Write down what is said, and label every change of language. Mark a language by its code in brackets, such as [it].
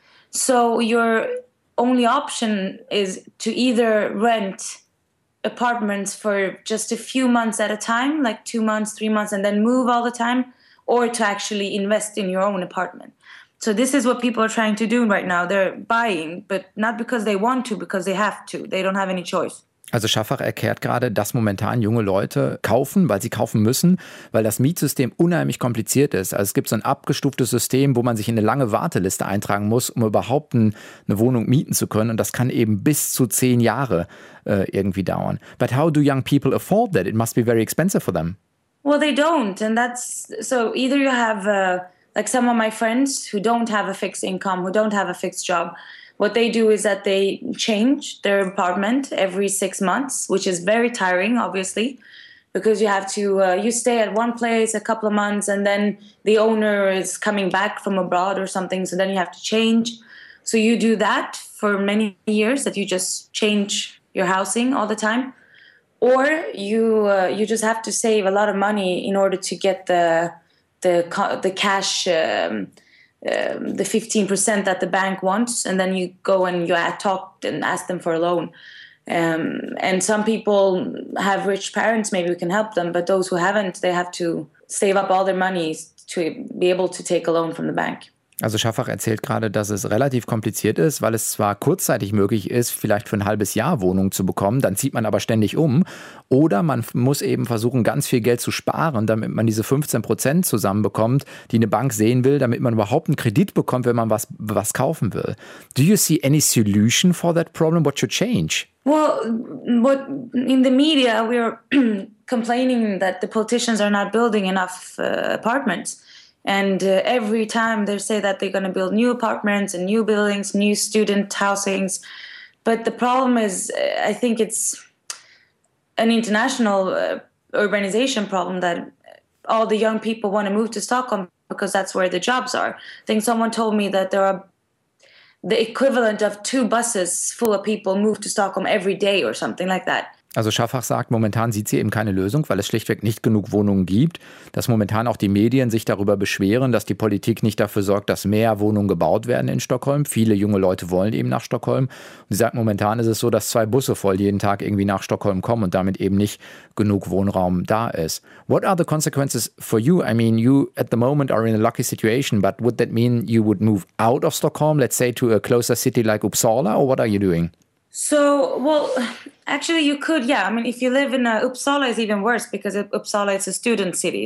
[en] So your only option is to either rent apartments for just a few months at a time, like 2 months, 3 months, and then move all the time, or to actually invest in your own apartment. So this is what people are trying to do right now. They're buying, but not because they want to, because they have to. They don't have any choice. [de] Also Shafak erklärt gerade, dass momentan junge Leute kaufen, weil sie kaufen müssen, weil das Mietsystem unheimlich kompliziert ist. Also es gibt so ein abgestuftes System, wo man sich in eine lange Warteliste eintragen muss, um überhaupt eine Wohnung mieten zu können. Und das kann eben bis zu 10 Jahre irgendwie dauern. [en] But how do young people afford that? It must be very expensive for them. Well, they don't. And that's, so either you have Like some of my friends who don't have a fixed income, who don't have a fixed job, what they do is that they change their apartment every 6 months, which is very tiring, obviously, because you have to you stay at one place a couple of months and then the owner is coming back from abroad or something, so then you have to change. So you do that for many years, that you just change your housing all the time. Or you you just have to save a lot of money in order to get the cash, the 15% that the bank wants, and then you go and you talk and ask them for a loan. And some people have rich parents, maybe we can help them, but those who haven't, they have to save up all their money to be able to take a loan from the bank. [de] Also Schaffach erzählt gerade, dass es relativ kompliziert ist, weil es zwar kurzzeitig möglich ist, vielleicht für ein halbes Jahr Wohnung zu bekommen, dann zieht man aber ständig um. Oder man muss eben versuchen, ganz viel Geld zu sparen, damit man diese 15% zusammenbekommt, die eine Bank sehen will, damit man überhaupt einen Kredit bekommt, wenn man was kaufen will. [en] Do you see any solution for that problem? What should change? Well, what in the media we are complaining that the politicians are not building enough apartments. And every time they say that they're going to build new apartments and new buildings, new student housings. But the problem is, I think it's an international urbanization problem that all the young people want to move to Stockholm because that's where the jobs are. I think someone told me that there are the equivalent of 2 buses full of people move to Stockholm every day or something like that. [de] Also Schaffach sagt, momentan sieht sie eben keine Lösung, weil es schlichtweg nicht genug Wohnungen gibt. Dass momentan auch die Medien sich darüber beschweren, dass die Politik nicht dafür sorgt, dass mehr Wohnungen gebaut werden in Stockholm. Viele junge Leute wollen eben nach Stockholm. Und sie sagt, momentan ist es so, dass 2 Busse voll jeden Tag irgendwie nach Stockholm kommen und damit eben nicht genug Wohnraum da ist. [en] What are the consequences for you? I mean, you at the moment are in a lucky situation, but would that mean you would move out of Stockholm, let's say to a closer city like Uppsala, or what are you doing? So, well, actually you could, yeah. I mean, if you live in Uppsala, it's even worse because Uppsala is a student city.